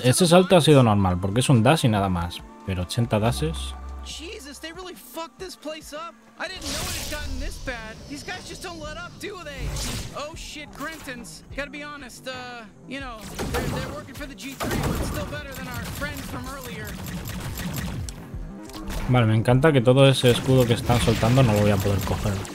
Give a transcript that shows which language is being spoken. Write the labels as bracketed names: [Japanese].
[Spanish] Este salto ha sido normal, porque es un dash y nada más. Pero 80 dashes. [English] Jesus, they really fucked this place up. I didn't know it had gotten this bad. These guys just don't let up, do they? Oh shit, Grintons. Gotta be honest, you know, they're working for the G3, but still better than our friends from earlier. [Spanish] Vale, me encanta que todo ese escudo que están soltando no lo voy a poder coger.